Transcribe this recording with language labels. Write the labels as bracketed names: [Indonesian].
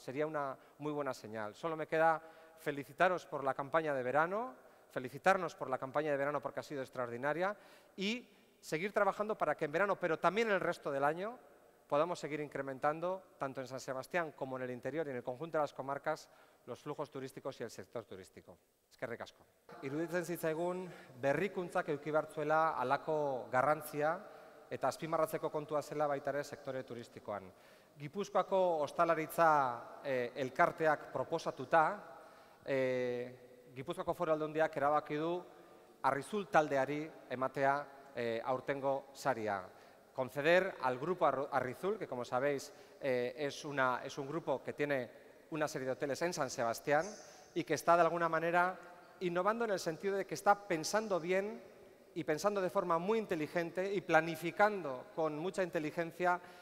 [Spanish] Sería una muy buena señal. Solo me queda felicitaros por la campaña de verano, felicitarnos por la campaña de verano porque ha sido extraordinaria y seguir trabajando para que en verano, pero también el resto del año, podamos seguir incrementando, tanto en San Sebastián como en el interior y en el conjunto de las comarcas, los flujos turísticos y el sector turístico. [Basque] Eskerrik asko. Iruditzen zitzaigun berrikuntzak eduki behar zuela alako garrantzia eta azpimarratzeko kontua zela baita ere sektore turistikoan. Gipuzkoako ostalaritza elkarteak proposatuta, Gipuzkoako Foru Aldundiak erabaki du Arrizul taldeari ematea aurtengo saria. [Spanish] Conceder al grupo Arrizul, que como sabéis es un grupo que tiene una serie de hoteles en San Sebastián y que está de alguna manera innovando en el sentido de que está pensando bien y pensando de forma muy inteligente y planificando con mucha inteligencia